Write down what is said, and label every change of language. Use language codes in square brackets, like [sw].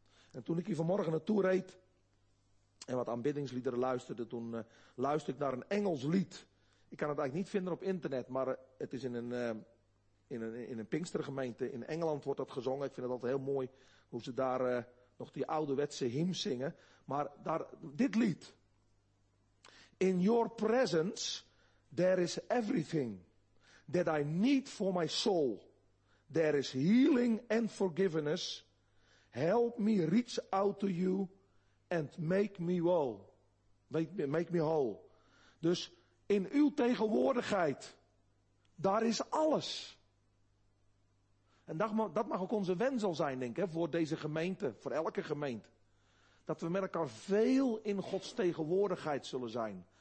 [nl] En toen ik hier vanmorgen naartoe reed en wat aanbiddingsliederen luisterde, toen luisterde ik naar een Engels lied. Ik kan het eigenlijk niet vinden op internet, maar het is in een... In een Pinkstergemeente in Engeland wordt dat gezongen. Ik vind het altijd heel mooi hoe ze daar nog die ouderwetse hymn zingen. Maar daar dit lied. [en] In your presence there is everything that I need for my soul. There is healing and forgiveness. Help me reach out to you and make me whole. Make me whole. [nl] Dus in uw tegenwoordigheid, daar is alles. En dat mag ook onze wens al zijn, denk ik, voor deze gemeente, voor elke gemeente. Dat we met elkaar veel in Gods tegenwoordigheid zullen zijn.